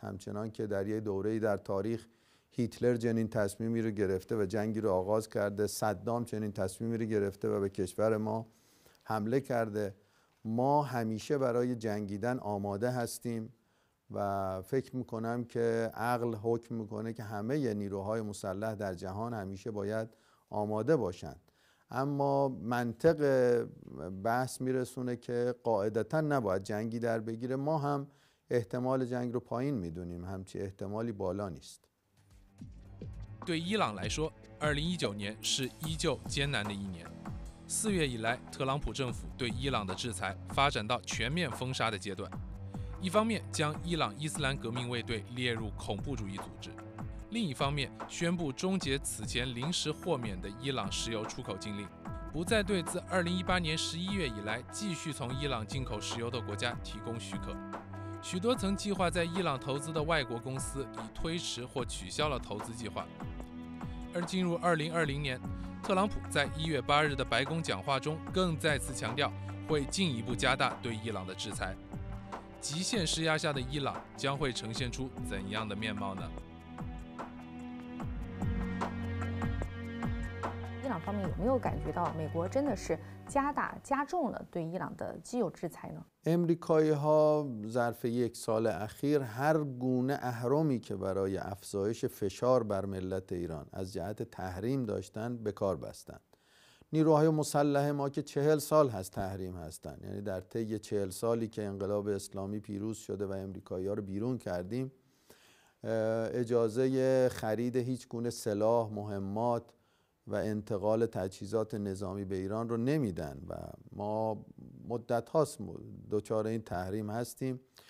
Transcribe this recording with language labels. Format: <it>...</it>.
<fa>همچنان که در یک دوره‌ای در تاریخ هیتلر چنین تصمیمی رو گرفته و جنگی رو آغاز کرده، صدام چنین تصمیمی رو گرفته و به کشور ما حمله کرده، ما همیشه برای جنگیدن آماده هستیم و فکر میکنم که عقل حکم میکنه که همه نیروهای مسلح در جهان همیشه باید آماده باشند. اما منطق بحث میرسونه که قاعدتا نباید جنگی در بگیره. ما هم احتمال جنگ رو پایین میدونیم، همچی احتمالی بالا نیست.</fa> <zh>对伊朗来说，2019年是依旧艰难的一年。四月以来，特朗普政府对伊朗的制裁发展到全面封杀的阶段，一方面将伊朗伊斯兰革命卫队列入恐怖主义组织，另一方面宣布终结此前临时豁免的伊朗石油出口禁令，不再对自2018年11月以来继续从伊朗进口石油的国家提供许可。许多曾计划在伊朗投资的外国公司已推迟或取消了投资计划。而进入2020年，特朗普在1月8日的白宫讲话中更再次强调会进一步加大对伊朗的制裁。极限施压下的伊朗将会呈现出怎样的面貌呢？伊朗方面有没有感觉到美国真的是加重了对伊朗的既有制裁呢？</zh> <fa>امریکایی ها ظرف یک سال اخیر هر گونه اهرمی که برای افزایش فشار بر ملت ایران از جهت تحریم داشتن به کار بستند. نیروهای مسلح ما که 40 سال هست تحریم هستند، یعنی در طی 40 سالی که انقلاب اسلامی پیروز شده و امریکایی ها رو بیرون کردیم، اجازه خرید هیچ گونه سلاح، مهمات و انتقال تجهیزات نظامی به ایران رو نمیدن و ما مدت هاست دچار این تحریم هستیم.</fa>